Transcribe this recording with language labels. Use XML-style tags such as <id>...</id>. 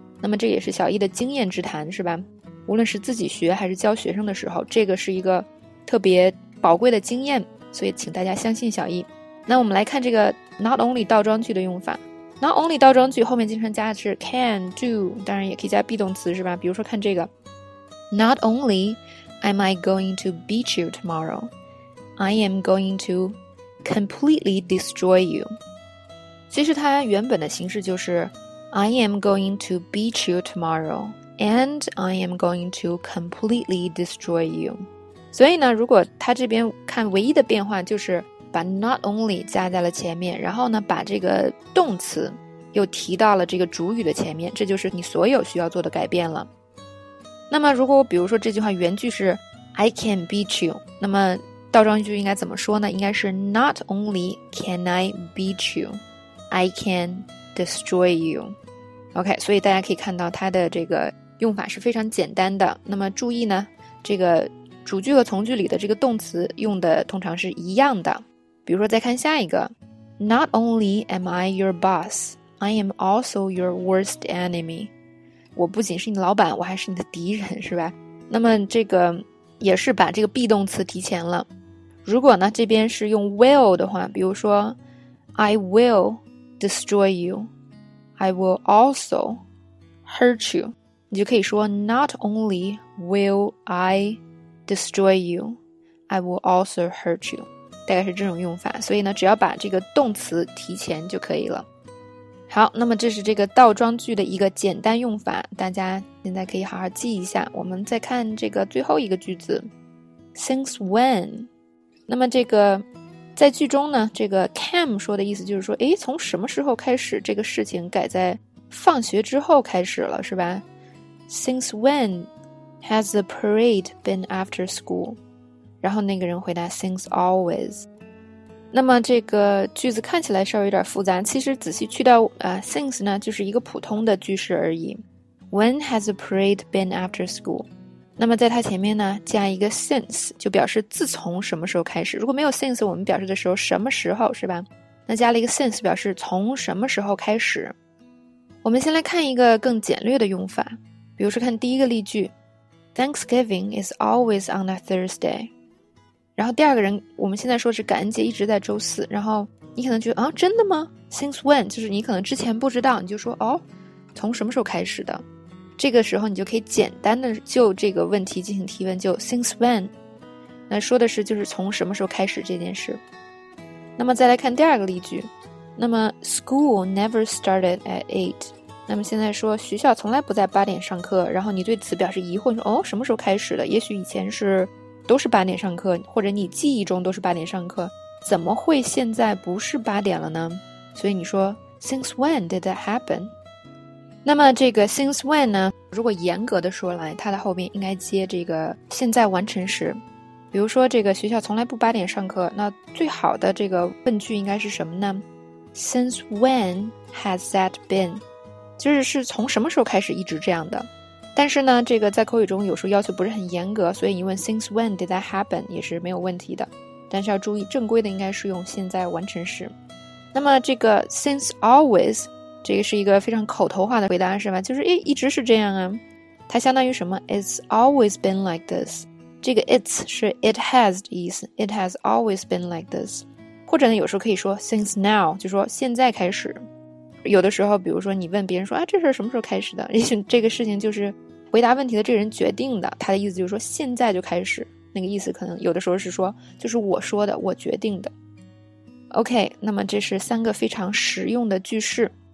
<zh>那么这也是小易的经验之谈是吧，无论是自己学还是教学生的时候，这个是一个特别宝贵的经验，所以请大家相信小易。那我们来看这个 not only 倒装句的用法。not only 倒装句后面经常加的是 can do， 当然也可以加 be 动词是吧。</zh> <en>比如说看这个，Not only am I going to beat you tomorrow, I am going to completely destroy you. 其实它原本的形式就是 I am going to beat you tomorrow, and I am going to completely destroy you.</en> <zh>所以呢，如果它这边看唯一的变化就是把 not only 加在了前面，然后呢，把这个动词又提到了这个主语的前面，这就是你所有需要做的改变了。那么如果比如说这句话原句是</zh> <en>I can beat you，</en> <zh>那么倒装句应该怎么说呢，应该是</zh> <en>Not only can I beat you I can destroy you。</en> <zh>OK， 所以大家可以看到它的这个用法是非常简单的。那么注意呢，这个主句和从句里的这个动词用的通常是一样的。比如说再看下一个，</zh> <en>Not only am I your boss I am also your worst enemy，</en> <zh>我不仅是你老板我还是你的敌人是吧。那么这个也是把这个 be 动词提前了。如果呢这边是用</zh> <en>will 的话，比如说 I will destroy you I will also hurt you，</en> <zh>你就可以说</zh> <en>Not only will I destroy you I will also hurt you，</en> <zh>大概是这种用法。所以呢只要把这个动词提前就可以了。好，那么这是这个倒装句的一个简单用法，大家现在可以好好记一下。我们再看这个最后一个句子，</zh> <en>Since when，</en> <zh>那么这个在剧中呢，这个 Cam 说的意思就是说，诶，从什么时候开始这个事情改在放学之后开始了，是吧？</zh> <en>Since when has the parade been after school?</en> <zh>然后那个人回答</zh> <en>Since always。</en> <zh>那么这个句子看起来稍微有点复杂，其实仔细去掉since 呢，就是一个普通的句式而已。</zh> <en>When has the parade been after school?</en> <zh>那么在它前面呢，加一个 since, 就表示自从什么时候开始。如果没有 since, 我们表示的时候什么时候，是吧？那加了一个 since, 表示从什么时候开始。我们先来看一个更简略的用法，比如说看第一个例句，</zh> <en>Thanksgiving is always on a Thursday。</en> <zh>然后第二个人，我们现在说是感恩节一直在周四，然后你可能觉得啊，真的吗？</zh> <en>Since when?</en> <zh>就是你可能之前不知道，你就说哦，从什么时候开始的？这个时候你就可以简单的就这个问题进行提问，就 Since when? 那说的是就是从什么时候开始这件事。那么再来看第二个例句，那么</zh> <en>School never started at 8.</en> <zh>那么现在说学校从来不在八点上课，然后你对此表示疑惑，你说哦，什么时候开始的？也许以前是都是八点上课，或者你记忆中都是八点上课，怎么会现在不是八点了呢？</zh> <en>所以你说 Since when did that happen?</en> <zh>那么这个 Since when 呢，如果严格的说来，它的后面应该接这个现在完成时。比如说这个学校从来不八点上课，那最好的这个问句应该是什么呢？</zh> <en>Since when has that been?</en> <zh>就是是从什么时候开始一直这样的。但是呢，这个在口语中有时候要求不是很严格，所以你问</zh> <en>Since when did that happen</en> <zh>也是没有问题的。但是要注意，正规的应该是用现在完成时。那么这个 Since always 这个是一个非常口头化的回答，是吧？就是一直是这样啊。它相当于什么？</zh> <en>It's always been like this。</en> <zh>这个</zh> <en>it's 是 it has 的意思， It has always been like this。</en> <zh>或者呢，有时候可以说 Since now， 就说现在开始。有的时候比如说你问别人说啊，这事什么时候开始的，也许这个事情就是回答问题的这个人决定的，他的意思就是说现在就开始，那个意思可能有的时候是说就是我说的，我决定的。 OK， 那么这是三个非常实用的句式。</zh>